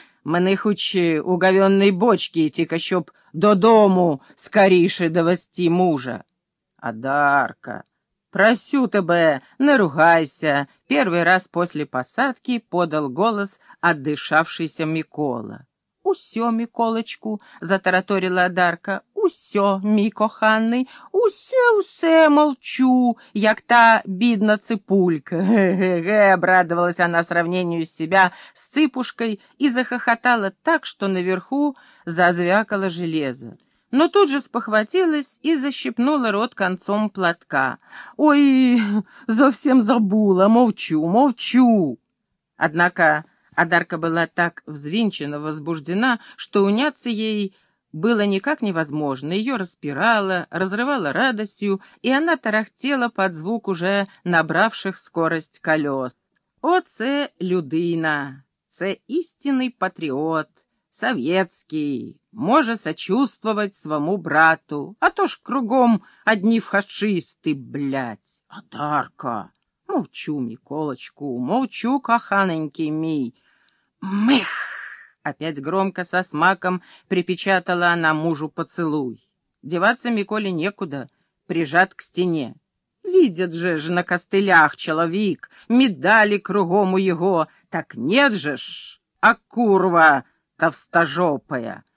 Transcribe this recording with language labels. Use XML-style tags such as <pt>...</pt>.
<uk>Мене хоч у</uk> <ru>говенной бочки</ru> <uk>идти, щоб додому скоріше довести мужа». «Одарка, просю тебе,</uk> <ru>не ругайся!» Первый раз после посадки подал голос отдышавшийся Микола.</ru> <uk>«Усё, Миколочку!»</uk> <ru>— затараторила одарка.</ru> <uk>«Усё, мій коханний, усе-усе молчу, як та бідна ципулька».</uk> <ru>«Ге-ге-ге», — обрадовалась она сравнению себя с ципушкой и захохотала так, что наверху зазвякало железо. Но тут же спохватилась и защипнула рот концом платка. «Ой, совсем забула, молчу, молчу». Однако одарка была так взвинчена, возбуждена, что уняться ей было никак невозможно, ее распирало, разрывало радостью, и она тарахтела под звук уже набравших скорость колес.</ru> <uk>«О, це людина! Це</uk> <ru>истинный патриот! Советский! Може сочувствовать своему брату! А то ж кругом одни фашисты, блядь! Одарка!</ru> <uk>Мовчу, Миколочку, мовчу, коханенький мий!» «Мых!»</uk> <ru>— опять громко со смаком припечатала она мужу поцелуй. Деваться Миколе некуда, прижат к стене. «Видят же ж на костылях человек, медали кругом у его, так нет же ж,</ru> <uk>а курва товстожопая!</uk>